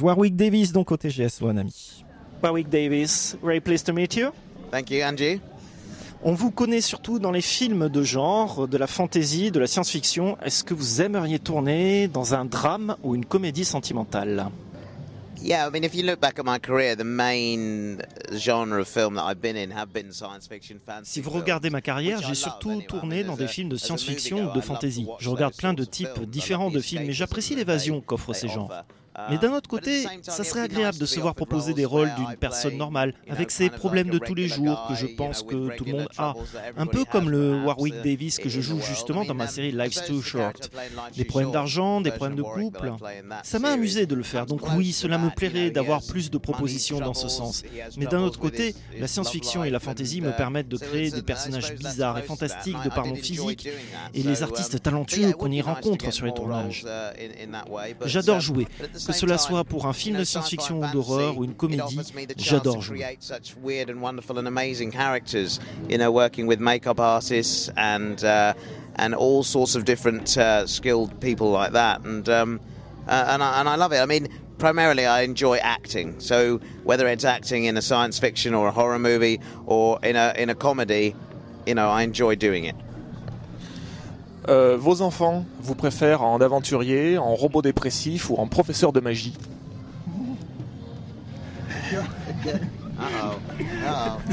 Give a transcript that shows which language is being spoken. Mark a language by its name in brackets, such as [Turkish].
[French] Warwick Davis, donc au TGS, mon ami. [English] Warwick Davis, very pleased to meet you. Thank you, Angie. [French] On vous connaît surtout dans les films de genre, de la fantasy, de la science-fiction. Est-ce que vous aimeriez tourner dans un drame ou une comédie sentimentale ? [English] Yeah, I mean, if you look back at my career, the main genre of film that I've been in have been science-fiction, fantasy. [French] Si vous regardez ma carrière, j'ai surtout tourné dans des films de science-fiction ou de fantasy. Je regarde plein de types différents de films et j'apprécie l'évasion qu'offrent ces genres. Mais d'un autre côté, ça serait agréable de se voir proposer des rôles d'une personne normale, avec ses problèmes de tous les jours que je pense que tout le monde a. Un peu comme le Warwick Davis que je joue justement dans ma série Life's Too Short. Des problèmes d'argent, des problèmes de couple. Ça m'a amusé de le faire, donc oui, cela me plairait d'avoir plus de propositions dans ce sens. Mais d'un autre côté, la science-fiction et la fantasy me permettent de créer des personnages bizarres et fantastiques de par mon physique et les artistes talentueux qu'on y rencontre sur les tournages. J'adore jouer. Que cela soit pour un film de science-fiction ou d'horreur ou une comédie, j'adore jouer. [English] Such weird and wonderful and amazing characters, you know, working with makeup artists and all sorts of different skilled people like that. And I love it. I mean, primarily I enjoy acting. So whether it's acting in a science fiction or a horror movie or in a comedy, you know, I enjoy doing it. [French] Vos enfants vous préfèrent en aventurier, en robot dépressif ou en professeur de magie ?